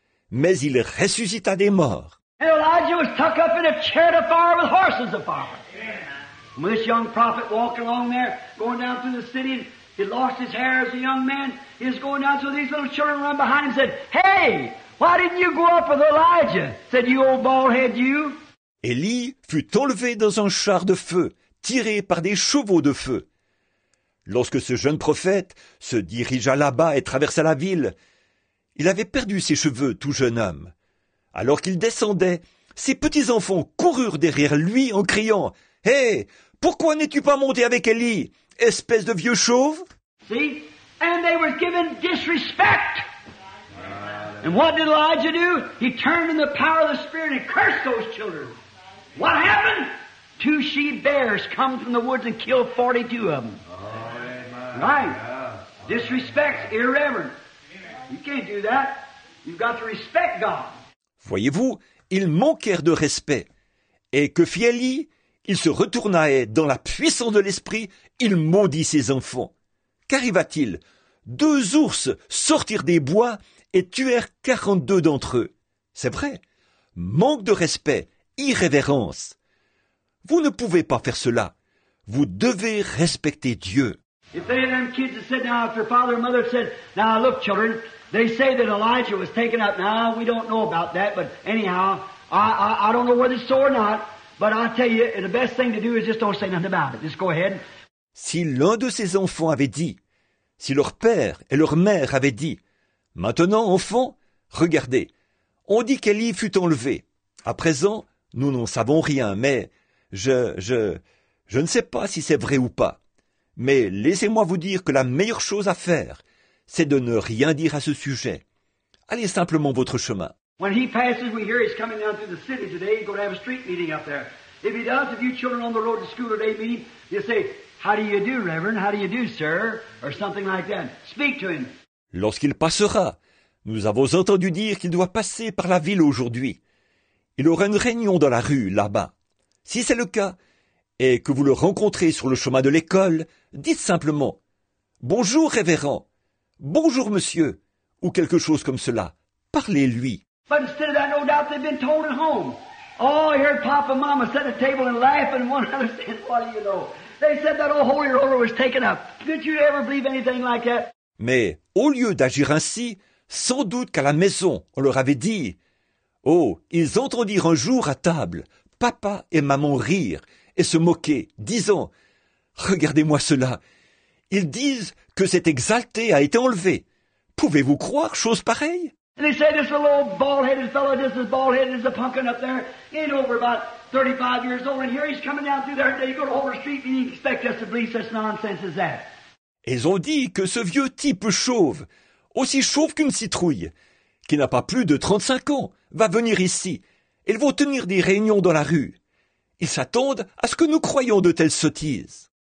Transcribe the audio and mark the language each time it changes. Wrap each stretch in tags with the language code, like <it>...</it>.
<fr>Mais il ressuscita des morts.</fr> <en>And Elijah was tucked up in a chariot of fire with horses of fire. And this young prophet walked along there, going down through the city and he lost his hair as a young man. He was going down, so these little children run behind him and said, hey, why didn't you go up with Elijah? Said, you old bald head, you.</en> <fr>Élie fut enlevé dans un char de feu, tiré par des chevaux de feu. Lorsque ce jeune prophète se dirigea là-bas et traversa la ville, il avait perdu ses cheveux, tout jeune homme. Alors qu'il descendait, ses petits-enfants coururent derrière lui en criant, hey, pourquoi n'es-tu pas monté avec Élie? Espèce de vieux chauve.</fr> <en>See? And they were given disrespect. And what did Elijah do? He turned in the power of the Spirit and cursed those children. What happened? Two she bears come from the woods and kill 42 of them. Oh, amen. Right. Yeah. Disrespect's irreverent. You can't do that. You've got to respect God.</en> <fr>Voyez-vous, ils manquèrent de respect. Et que fit Élie? Il se retourna et, dans la puissance de l'esprit, il maudit ses enfants. Qu'arriva-t-il? Deux ours sortirent des bois et tuèrent 42 d'entre eux. C'est vrai. Manque de respect, irrévérence. Vous ne pouvez pas faire cela. Vous devez respecter Dieu.</fr> <en>If they had them kids that said, now, if their father or mother said, now, look, children, they say that Elijah was taken up. Now, we don't know about that, but anyhow, I don't know whether it's so or not. But I tell you, the best thing to do is just don't say nothing about it. Just go ahead.</en> <fr>Si l'un de ses enfants avait dit, si leur père et leur mère avaient dit, maintenant, enfant, regardez, on dit qu'Élie fut enlevé. À présent, nous n'en savons rien, mais je ne sais pas si c'est vrai ou pas. Mais laissez-moi vous dire que la meilleure chose à faire, c'est de ne rien dire à ce sujet. Allez simplement votre chemin.</fr> <en>When he passes, we hear he's coming down through the city today. He's going to have a street meeting up there. If he does, if you children on the road to school today meet him, you say, how do you do, Reverend? How do you do, sir? Or something like that. Speak to him.</en> <fr>Lorsqu'il passera, nous avons entendu dire qu'il doit passer par la ville aujourd'hui. Il aura une réunion dans la rue, là-bas. Si c'est le cas, et que vous le rencontrez sur le chemin de l'école, dites simplement « Bonjour, révérend. Bonjour, monsieur. » Ou quelque chose comme cela. Parlez-lui.</fr> <en>But instead of that, no doubt they've been told at home. Oh, I heard Papa and Mama set a table and laugh, and one other said, what do you know? They said that old holy roller was taken up. Did you ever believe anything like that?</en> <fr>Mais au lieu d'agir ainsi, sans doute qu'à la maison, on leur avait dit, « Oh, ils entendent dire un jour à table, papa et maman rire et se moquer, disant, « Regardez-moi cela. Ils disent que cet exalté a été enlevé. Pouvez-vous croire chose pareille ?»</fr> <en>And they say, this little bald-headed fellow, just as bald-headed as a pumpkin up there, ain't over about 35 years old, and here he's coming down through there, and they go to over the street, and he expects us to believe such nonsense as that.</en> <fr>Ils ont dit que ce vieux type chauve, aussi chauve qu'une citrouille, qui n'a pas plus de 35 ans, va venir ici. Ils vont tenir des réunions dans la rue. Ils s'attendent à ce que nous croyons de telles sottises.</fr>